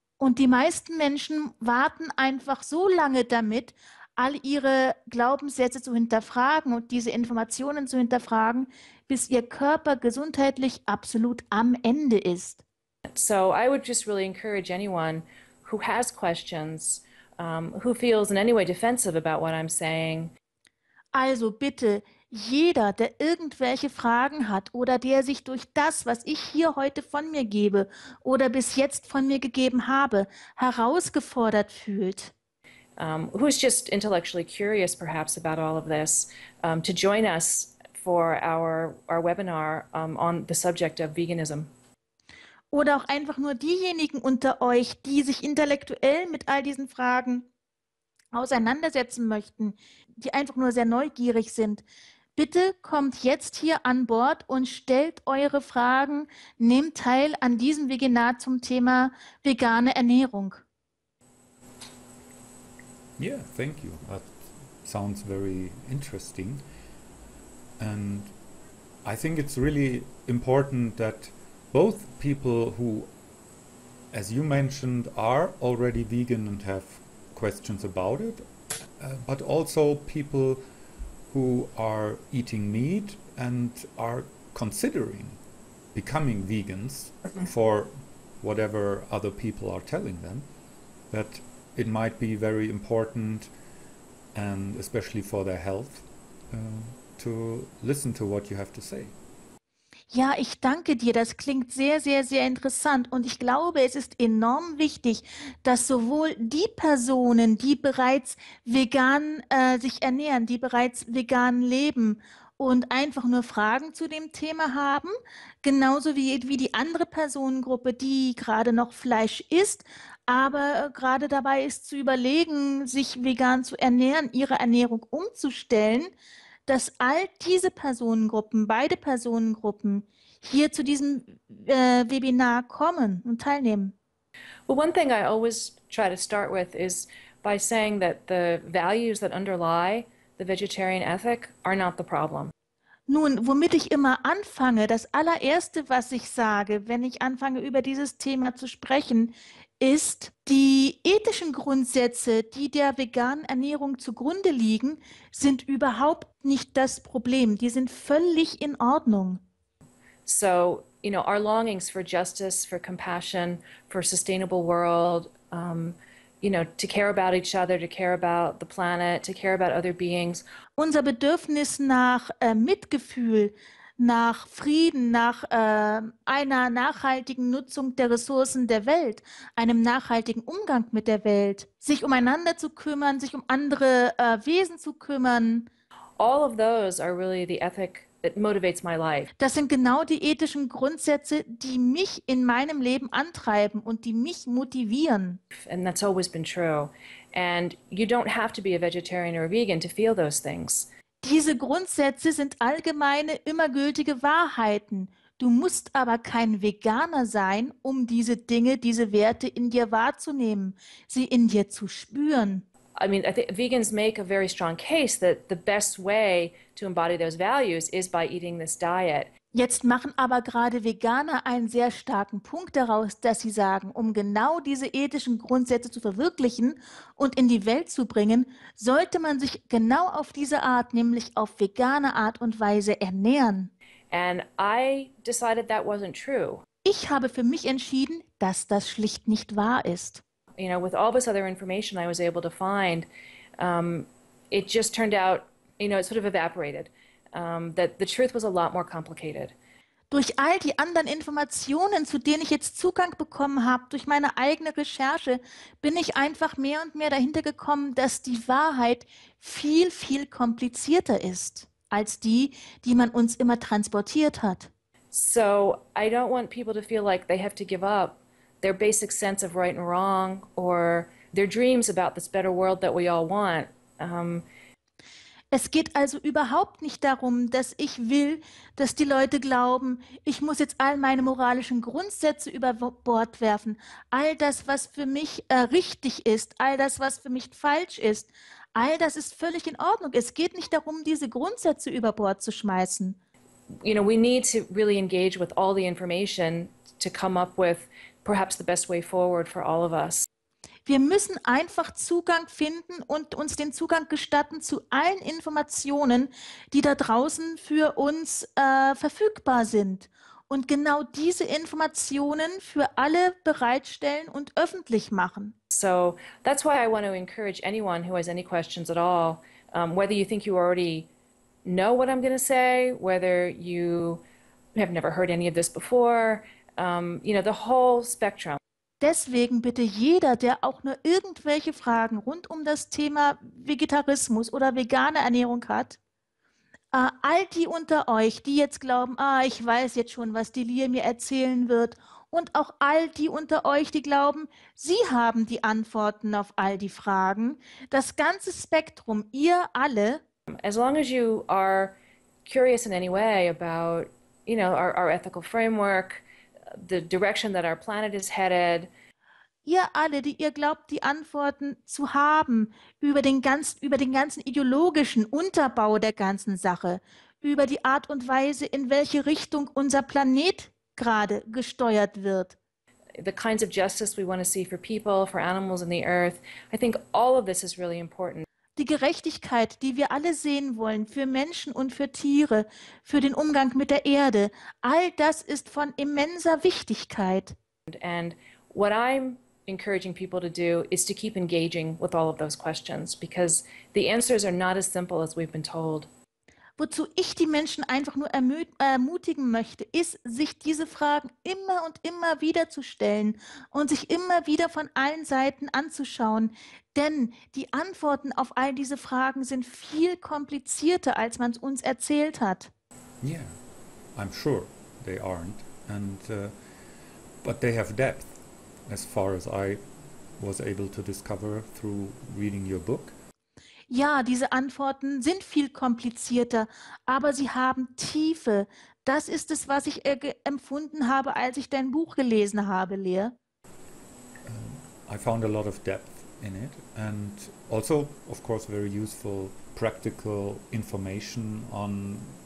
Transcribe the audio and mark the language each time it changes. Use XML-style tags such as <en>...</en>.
<de>Und die meisten Menschen warten einfach so lange damit, all ihre Glaubenssätze zu hinterfragen und diese Informationen zu hinterfragen, bis ihr Körper gesundheitlich absolut am Ende ist.</de> <en>So I would just really encourage anyone who has questions, who feels in any way defensive about what I'm saying.</en> <de>Also bitte, jeder, der irgendwelche Fragen hat oder der sich durch das, was ich hier heute von mir gebe oder bis jetzt von mir gegeben habe, herausgefordert fühlt.</de> <en>Who's just intellectually curious, perhaps, about all of this, to join us for our webinar, on the subject of veganism.</en> <de>Oder auch einfach nur diejenigen unter euch, die sich intellektuell mit all diesen Fragen auseinandersetzen möchten, die einfach nur sehr neugierig sind. Bitte kommt jetzt hier an Bord und stellt eure Fragen, nehmt teil an diesem Webinar zum Thema vegane Ernährung.</de> <en>Yeah, thank you. That sounds very interesting. And I think it's really important that both people who, as you mentioned, are already vegan and have questions about it, but also people who are eating meat and are considering becoming vegans for whatever other people are telling them, that it might be very important, and especially for their health, to listen to what you have to say.</en> <de>Ja, ich danke dir. Das klingt sehr, sehr, sehr interessant. Und ich glaube, es ist enorm wichtig, dass sowohl die Personen, die bereits vegan sich ernähren, die bereits vegan leben und einfach nur Fragen zu dem Thema haben, genauso wie die andere Personengruppe, die gerade noch Fleisch isst, aber gerade dabei ist zu überlegen, sich vegan zu ernähren, ihre Ernährung umzustellen, dass all diese Personengruppen, beide Personengruppen hier zu diesem Webinar kommen und teilnehmen.</de> <en>Well, one thing I always try to start with is by saying that the values that underlie the vegetarian ethic are not the problem.</en> <de>Nun, womit ich immer anfange, das allererste, was ich sage, wenn ich anfange, über dieses Thema zu sprechen, ist, die ethischen Grundsätze, die der veganen Ernährung zugrunde liegen, sind überhaupt nicht das Problem. Die sind völlig in Ordnung.</de> <en>So, you know, our longings for justice, for compassion, for a sustainable world, you know, to care about each other, to care about the planet, to care about other beings.</en> <de>Unser Bedürfnis nach Mitgefühl, nach Frieden, nach einer nachhaltigen Nutzung der Ressourcen der Welt, einem nachhaltigen Umgang mit der Welt, sich umeinander zu kümmern, sich um andere Wesen zu kümmern.</de> <en>All of those are really the ethic that motivates my life.</en> <de>Das sind genau die ethischen Grundsätze, die mich in meinem Leben antreiben und die mich motivieren.</de> <en>And that's always been true. And you don't have to be a vegetarian or a vegan to feel those things.</en> <de>Diese Grundsätze sind allgemeine, immer gültige Wahrheiten. Du musst aber kein Veganer sein, um diese Dinge, diese Werte in dir wahrzunehmen, sie in dir zu spüren.</de> <en>I mean, I think vegans make a very strong case that the best way to embody those values is by eating this diet.</en> <de>Jetzt machen aber gerade Veganer einen sehr starken Punkt daraus, dass sie sagen, um genau diese ethischen Grundsätze zu verwirklichen und in die Welt zu bringen, sollte man sich genau auf diese Art, nämlich auf vegane Art und Weise ernähren.</de> <en>And I decided that wasn't true.</en> <de>Ich habe für mich entschieden, dass das schlicht nicht wahr ist.</de> <en>You know, with all this other information I was able to find, it just turned out, you know, it sort of evaporated, that the truth was a lot more complicated.</en> <de>Durch all die anderen Informationen, zu denen ich jetzt Zugang bekommen habe, durch meine eigene Recherche, bin ich einfach mehr und mehr dahinter gekommen, dass die Wahrheit viel, viel komplizierter ist als die, die man uns immer transportiert hat.</de> <en>So, I don't want people to feel like they have to give up their basic sense of right and wrong or their dreams about this better world that we all want.</en> <de>Es geht also überhaupt nicht darum, dass ich will, dass die Leute glauben, ich muss jetzt all meine moralischen Grundsätze über Bord werfen, all das, was für mich richtig ist, all das, was für mich falsch ist, all das ist völlig in Ordnung. Es geht nicht darum, diese Grundsätze über Bord zu schmeißen.</de> <en>You know, we need to really engage with all the information to come up with perhaps the best way forward for all of us.</en> <de>Wir müssen einfach Zugang finden und uns den Zugang gestatten zu allen Informationen, die da draußen für uns verfügbar sind. Und genau diese Informationen für alle bereitstellen und öffentlich machen.</de> <en>So that's why I want to encourage anyone who has any questions at all, whether you think you already know what I'm going to say, whether you have never heard any of this before, you know, the whole spectrum.</en> <de>Deswegen bitte jeder, der auch nur irgendwelche Fragen rund um das Thema Vegetarismus oder vegane Ernährung hat, all die unter euch, die jetzt glauben, ah, ich weiß jetzt schon, was die Lia mir erzählen wird, und auch all die unter euch, die glauben, sie haben die Antworten auf all die Fragen, das ganze Spektrum, ihr alle.</de> <en>As long as you are curious in any way about, you know, our ethical framework, the direction that our planet is headed.</en> <de>Ihr alle, die ihr glaubt, die Antworten zu haben über den ganzen ideologischen Unterbau der ganzen Sache, über die Art und Weise, in welche Richtung unser Planet gerade gesteuert wird.</de> <en>The kinds of justice we want to see for people, for animals in the earth. I think all of this is really important.</en> <de>Die Gerechtigkeit, die wir alle sehen wollen, für Menschen und für Tiere, für den Umgang mit der Erde, all das ist von immenser Wichtigkeit.</de> <en>And what I'm encouraging people to do is to keep engaging with all of those questions, because the answers are not as simple as we've been told.</en> <de>Wozu ich die Menschen einfach nur ermutigen möchte, ist, sich diese Fragen immer und immer wieder zu stellen und sich immer wieder von allen Seiten anzuschauen. Denn die Antworten auf all diese Fragen sind viel komplizierter, als man es uns erzählt hat.</de> <en>Yeah, I'm sure they aren't, and but they have depth, as far as I was able to discover through reading your book.</en> <de>Ja, diese Antworten sind viel komplizierter, aber sie haben Tiefe. Das ist es, was ich empfunden habe, als ich dein Buch gelesen habe, Lea.</de> <en>I found a lot of depth in it, and also, of course, very useful practical information on</en>